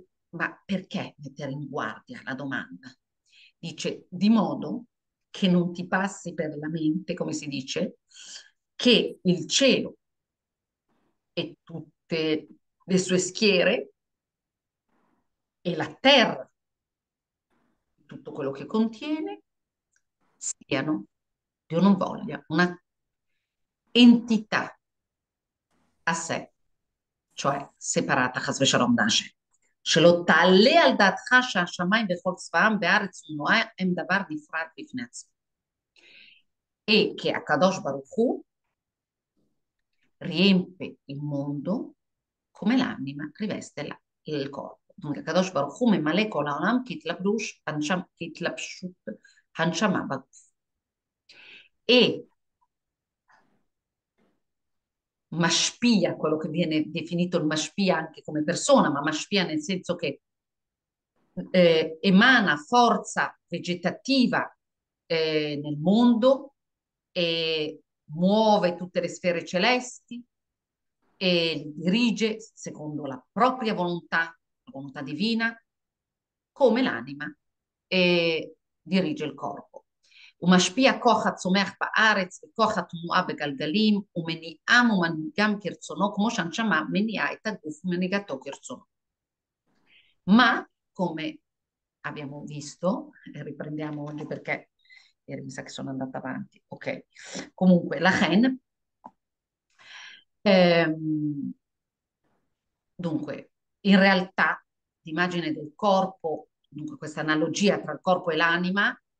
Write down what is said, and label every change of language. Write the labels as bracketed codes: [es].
[it] Ma perché mettere in guardia la domanda? Dice, di modo che non ti passi per la mente, come si dice, che il cielo e tutte le sue schiere e la terra, tutto quello che contiene, siano, Dio non voglia, una entità sé, cioè separata, chasvesharom dashe. [he] שלא תעלה על דעתך שהשמיים וכל צבאם בארץ ונועה הם דבר נפרד בפני עצמו. [it] E che הקדוש ברוך הוא riempie il mondo come l'anima riveste il corpo. [he] Dunque, הקדוש ברוך הוא ממלא כל העולם כהתלבשות הנשמה בגוף. [it] E Mashpia, quello che viene definito il Mashpia anche come persona, ma Mashpia nel senso che emana forza vegetativa nel mondo e muove tutte le sfere celesti e dirige secondo la propria volontà, la volontà divina, come l'anima e dirige il corpo. [he] ומשפיע כוח הצומח בארץ וכוח התנועה בגלגלים ומניעה ומנהיגם כרצונו כמו שהנשמה מניעה את הגוף ומנהיגתו כרצונו. [it] Ma come abbiamo visto, riprendiamo oggi perché mi sa che sono andata avanti. Ok, comunque la Chen. Dunque, in realtà l'immagine del corpo, dunque questa analogia tra il corpo e l'anima.